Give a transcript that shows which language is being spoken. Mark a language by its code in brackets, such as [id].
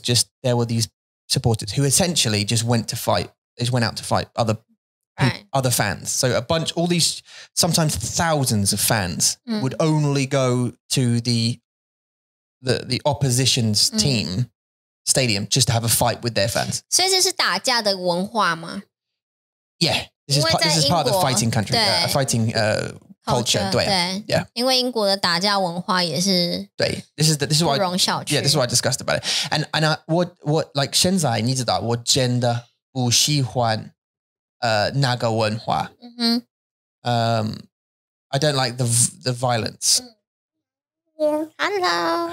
[en] Just there were these supporters who essentially just went to fight. They just went out to fight other. Right. Other fans. So a bunch, all these, sometimes thousands of fans would only go to the opposition's team stadium just to have a fight with their fans. [zh] 所以这是打架的文化吗? [en] Yeah. This is part of the fighting country. Fighting culture. 对, yeah. [zh] 因为英国的打架文化也是 [en] 对, this is why I discussed about it. And I, what like [zh] 现在你知道, 我真的不喜欢 那个文化 [en] I don't like the violence. Hello.